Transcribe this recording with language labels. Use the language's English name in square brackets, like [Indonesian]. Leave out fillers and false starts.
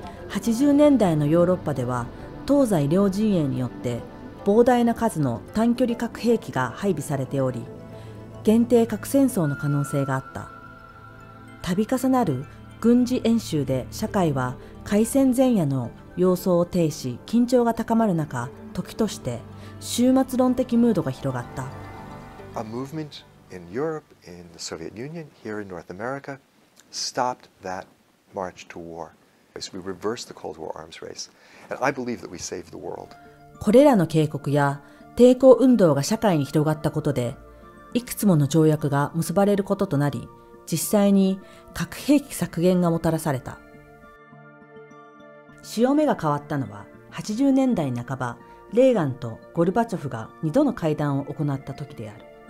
[Japanese] 80年代のヨーロッパでは、東西両陣営によって膨大な数の短距離核兵器が配備されており、限定核戦争の可能性があった。度重なる軍事演習で社会は開戦前夜の様相を呈し、緊張が高まる中、時として終末論的ムードが広がった。 [English] A movement in Europe, in the Soviet Union, here in North America, stopped that march to war. We reversed the Cold War arms race, and I believe that we saved the world. [Japanese] これらの警告や抵抗運動が社会に広がったことで、いくつもの条約が結ばれることとなり、実際に核兵器削減がもたらされた。潮目が変わったのは80年代半ば、レーガンとゴルバチョフが2度の会談を行った時である。